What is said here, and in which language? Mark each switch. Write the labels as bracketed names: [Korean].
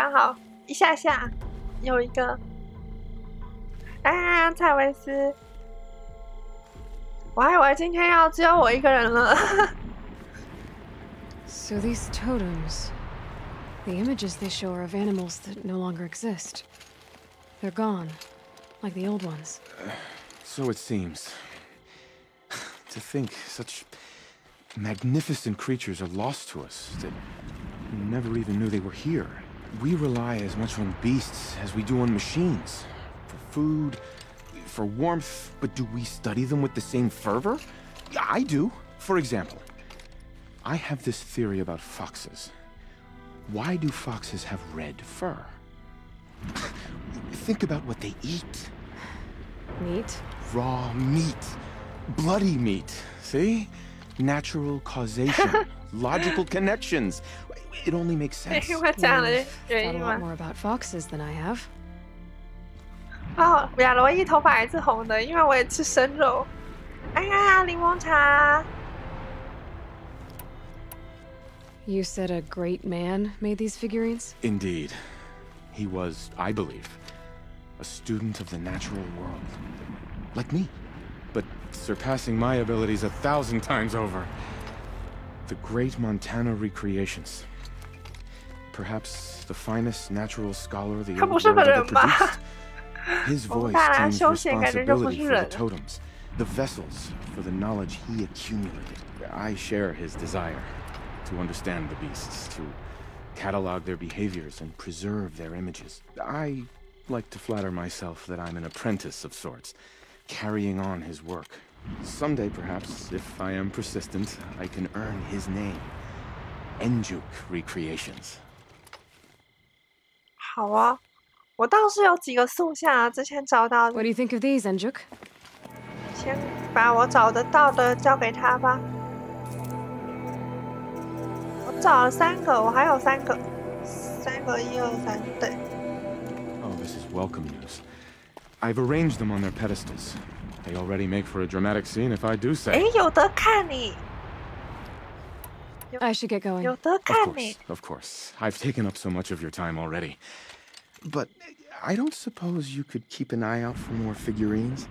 [English] Too bad, [Chinese] 哎，蔡维斯，我还以为今天要只有我一个人了。 [English] So these totems, the images they show are of animals that no longer exist. They're gone, like the old ones. So it seems. To think such magnificent creatures are lost to us that never even knew they were here. We rely as much on beasts as we do on machines. Food, for warmth, but do we study them with the same fervor? I do. For example, I have this theory about foxes. Why do foxes have red fur? Think about what they eat. Meat? Raw meat. Bloody meat. See? Natural causation. Logical connections. It only makes sense. You've thought a lot more about foxes than I have. [Chinese] 哦，亚罗伊头发还是红的，因为我也吃生肉。哎呀，柠檬茶。 [English] You said a great man made these figurines? Indeed. He was, I believe, a student of the natural world. Like me. But surpassing my abilities 1,000 times over. The great Montana recreations. Perhaps the finest natural scholar the old world ever produced. His voice claims responsibility for the totems, the vessels for the knowledge he accumulated. I share his desire to understand the beasts, to catalog their behaviors and preserve their images. I like to flatter myself that I'm an apprentice of sorts, carrying on his work. Someday, perhaps, if I am persistent, I can earn his name, Enjuk Recreations. [Chinese] 好啊。我倒是有几个塑像啊，之前找到的。 [English] What do you think of these, Enjuk? [Chinese] 先把我找得到的交给他吧。我找了三个，我还有三个，1、2、3，对。 [English] Oh, this is welcome news. I've arranged them on their pedestals. They already make for a dramatic scene if I do say. [Chinese] 哎，有得看你。 [English] I should get going. [Chinese] 有得看你。 [English] Of course. I've taken up so much of your time already. But I don't suppose you could keep an eye out for more figurines?